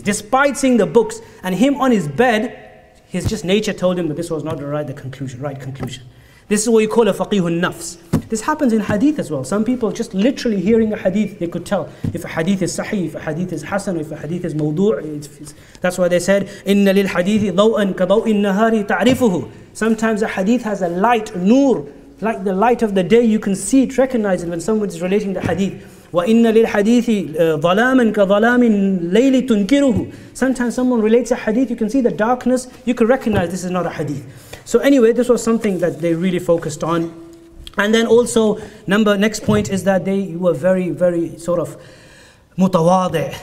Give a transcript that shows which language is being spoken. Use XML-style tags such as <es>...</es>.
<en>Despite seeing the books and him on his bed, his just nature told him that this was not the right conclusion. This is what you call a faqihun nafs. This happens in hadith as well. Some people just literally hearing a hadith, they could tell if a hadith is sahih, if a hadith is hasan, if a hadith is mawdu'. That's why they said,</en> <ar>إِنَّ لِلْحَدِيثِ ضَوْءًا كَضَوْءِ النَّهَارِ تَعْرِفُهُ.</ar> <en>Sometimes a hadith has a light, nur, like the light of the day, you can see it, recognize it when someone is relating the hadith.</en> <ar>وَإِنَّ لِلْحَدِيثِ ظَلَامًا كَظَلَامِ اللَّيْلِ تُنْكِرُهُ.</ar> <en>Sometimes someone relates a hadith, you can see the darkness, you can recognize this is not a hadith. So anyway, this was something that they really focused on. And then also, next point is that they were very, very sort of mutawadi.</en>